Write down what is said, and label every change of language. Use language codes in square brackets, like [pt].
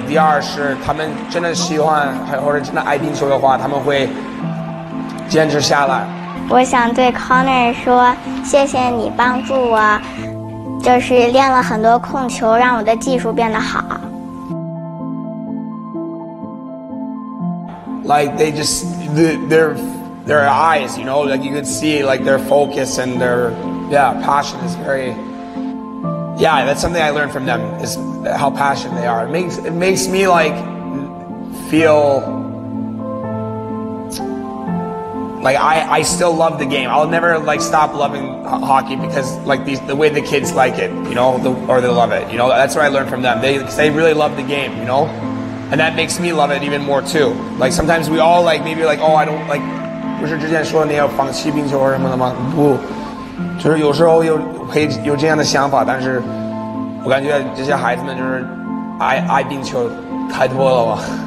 [zh] 第二是他们真的喜欢或者真的爱冰球的话，他们会坚持下来。我想对 Connor 说，谢谢你帮助我，就是练了很多控球，让我的技术变得好。 [en] Like they just their eyes, you know, like you could see like their focus and their passion is very. Yeah, that's something I learned from them, is how passionate they are. It makes me, like, feel Like, I still love the game. I'll never, like, stop loving hockey because, like, the way the kids like it, you know, or they love it. You know, that's what I learned from them. They really love the game, you know? And that makes me love it even more, too. Like, sometimes we all, like, maybe, like, oh, I don't, like, [zh] 不是之前说你要放弃冰球什么的吗？不，就是有时候有这样的想法，但是我感觉这些孩子们就是爱冰球太多了吧。